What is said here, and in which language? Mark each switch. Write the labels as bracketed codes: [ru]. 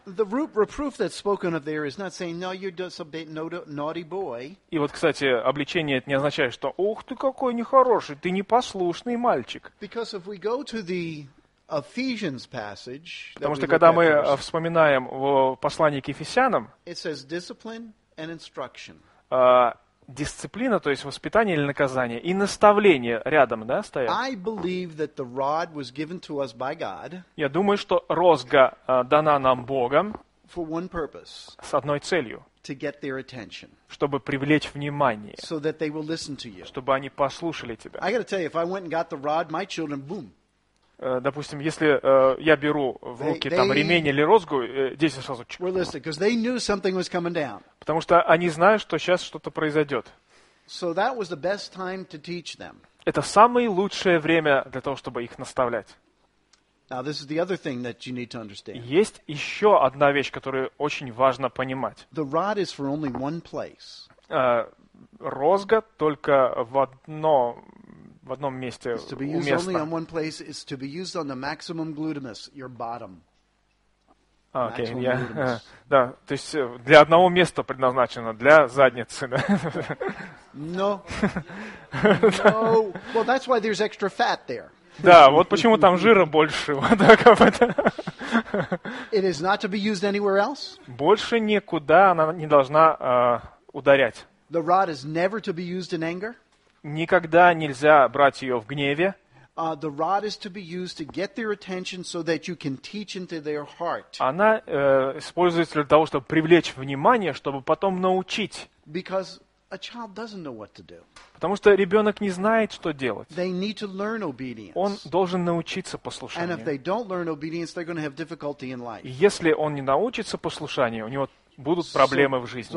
[en] The reproof that's spoken of there is not saying, "No, you're just a bit naughty boy." [ru] И вот, кстати, обличение это не означает, что, ух ты какой нехороший, ты непослушный мальчик. [en] Because if we go to the Ephesians passage, [ru] потому что когда мы вспоминаем в послании к Ефесянам, [en] it says discipline. And instruction. [ru] Дисциплина, то есть воспитание или наказание, и наставление рядом, да, стоят. [en] I believe that the rod was given to us by God. [ru] Я думаю, что розга дана нам Богом. [en] For one purpose. [ru] С одной целью. [en] To get their attention. [ru] Чтобы привлечь внимание. [en] So that they will listen to you. [ru] Чтобы они послушали тебя. [en] I gotta tell you, if I went and got the rod, my children, boom. [ru] Допустим, если я беру в руки там, ремень или розгу, дети сразу чук. Потому что они знают, что сейчас что-то произойдет. So that was the best time to teach them. Это самое лучшее время для того, чтобы их наставлять. Есть еще одна вещь, которую очень важно понимать. [en] The rod is for only one place. [ru] Розга только в одно... В одном месте уместно. [en] It's to be used [ru] уместно. [en] Only on one place is to be used on the maximum glutamus, your bottom. Окей, okay, yeah. [ru] Да, то есть для одного места предназначено, для задницы. [en] No. No. Well, that's why there's extra fat there. [ru] Да, вот почему там жира больше. [en] It is not to be used anywhere else. [ru] Больше никуда она не должна ударять. [en] The rod is never to be used in anger. [ru] Никогда нельзя брать ее в гневе. [en] The rod is to be used to get their attention so that you can teach into their heart. [ru] Она используется для того, чтобы привлечь внимание, чтобы потом научить. [en] Because a child doesn't know what to do. [ru] Потому что ребенок не знает, что делать. [en] They need to learn obedience. [ru] Он должен научиться послушанию. [en] And if they don't learn obedience, they're going to have difficulty in life. [ru] Если он не научится послушанию, у него будут проблемы в жизни.